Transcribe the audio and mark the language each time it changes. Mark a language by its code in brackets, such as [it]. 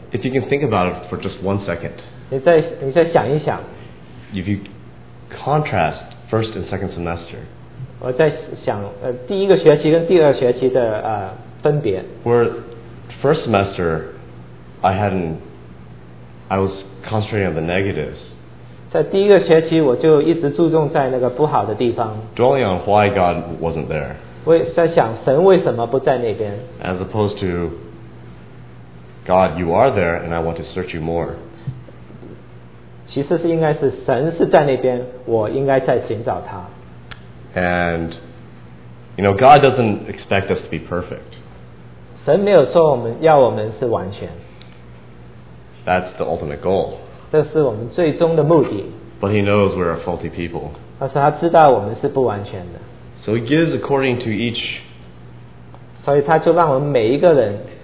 [en] If you can think about it for just one second. [zh] 你再想一想。 [en] If you contrast first and second semester. [zh] 我在想第一个学期跟第二学期的分别。 [en] Where first semester, I was concentrating on the negatives. [zh] 在第一个学期，我就一直注重在那个不好的地方。 [en] Dwelling on why God wasn't there. [zh] 在想神为什么不在那边。 [en] As opposed to God, you are there, and I want to search you more. [zh] 其实是应该是神是在那边，我应该在寻找他。 [en] And you know, God doesn't expect us to be perfect. [zh] 神没有说我们要我们是完全。 [en] That's the ultimate goal. [zh] 这是我们最终的目的。 [en] But he knows we're a faulty people. [zh] 但是他知道我们是不完全的。 [en] So he gives according to each. [zh] 所以他就让我们每一个人。